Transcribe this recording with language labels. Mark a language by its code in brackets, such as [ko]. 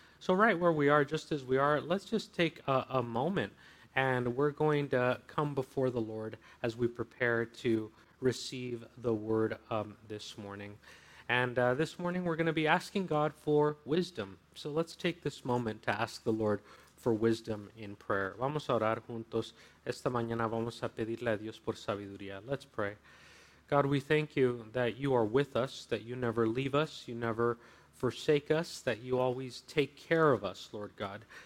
[en] So right where we are, just as we are, let's just take a moment, and we're going to come before the Lord as we prepare to receive the word this morning. And this morning we're going to be asking God for wisdom. So let's take this moment to ask the Lord for wisdom in prayer. [es] Vamos a orar juntos. Esta mañana vamos a pedirle a Dios por sabiduría. [en] Let's pray. God, we thank you that you are with us, that you never leave us, you never forsake us, that you always take care of us, Lord God.